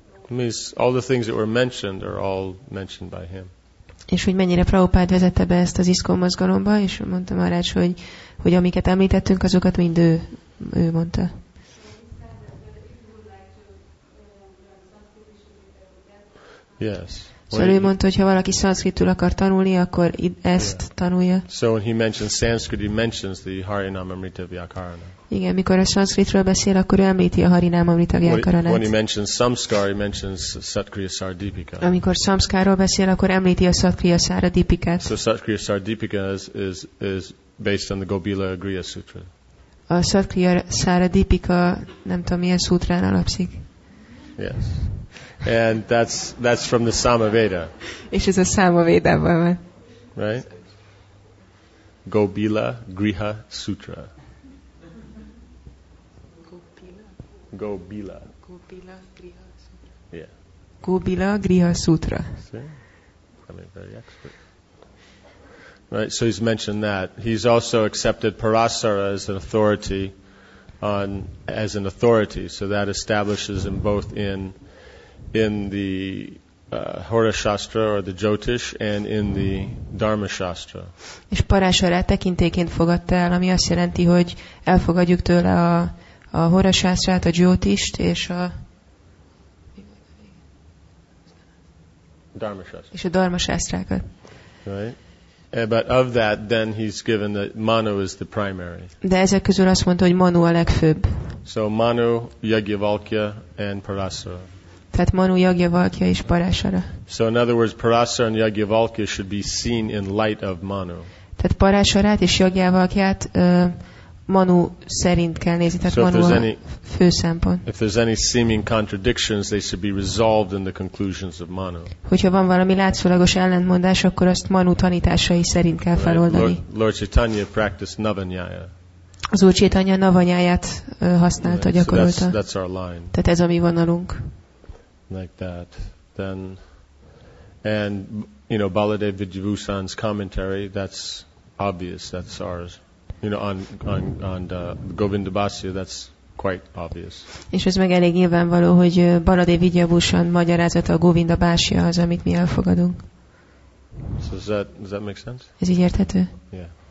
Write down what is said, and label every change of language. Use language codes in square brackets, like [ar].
[en] Means all the things that were mentioned are all mentioned by him. [hu] És hogy mennyire Prabhupád vezette be ezt az ISKCON mozgalomba, és mondtam arra is, hogy amiket említettünk, azokat mind ő mondta. [en] Yes. [hu] Szóval ő mondta, hogy ha valaki szanszkritul akar tanulni, akkor ezt tanulja. [en] So when he mentions Sanskrit, he mentions the Harinamrita Vyakarana. [hu] Igen, mikor a szanszkritről beszél, akkor ő említi a Harinamrita Vyakaranát. [en] When he mentions Samskara, he mentions Satkriya Sardipika. [hu] Amikor Samskáról beszél, akkor említi a Satkriya Sardipikát. [en] So Satkriya Sardipika is based on the Gobila Agriya Sutra. [hu] A Satkriya Sardipika, nem tudom, milyen szútrán alapszik. [en] Yes. And that's from the Samaveda. [hu] És ez a Samavédában van. [en] Right? Gobila Griha Sutra. Gobila. Gobila Griha Sutra. Yeah. Gobila Griha Sutra. See? I mean, very expert. Right, so he's mentioned that. He's also accepted Parasara as an authority so that establishes him both in the Hora Shastra or the Jyotish and in the Dharma Shastra. [hu] És Parasara tekintéként fogadta el, ami azt jelenti, hogy elfogadjuk tőle a Hora Shastrát, a Jyotist és a [en] Dharma Shastra. [hu] És a Dharma Shastrákat. [en] Right. But of that then he's given that Manu is the primary. [hu] De ezek közül azt mondta, hogy Manu a legfőbb. [en] So Manu, Yajnavalkya and Parasara. [hu] Tehát Manu, Yajnavalkya és Parasara. [en] So in other words, Parasara and Yajnavalkya should be seen in light of Manu. [hu] Tehát Parasarát és Yajnavalkyát Manu szerint kell nézni, tehát [en] so [hu] Manu a fő szempont. [en] If there's any seeming contradictions, they should be resolved in the conclusions of Manu. [hu] Hogyha van valami látszólagos ellentmondás, akkor azt Manu tanításai szerint kell feloldani. [en] Lord Chaitanya practiced Navanyaya. [hu] Az Úr Chaitanya Navanyáját használta, [en] right. [hu] Gyakorolta. [en] So that's our line. [hu] Tehát ez a mi vonalunk. [en] Like that. Then, and you know, Baladev Vidyabhusan's commentary, that's obvious, that's ours. You know, on Govinda Bhasya, that's quite obvious. [hu] És ez meg elég nyilvánvaló, hogy Baladev Vidyabhusan magyarázata a Govinda Bhasya az, amit mi elfogadunk. [en] So does that make sense? [hu] Ez így érthető? [en] Yeah.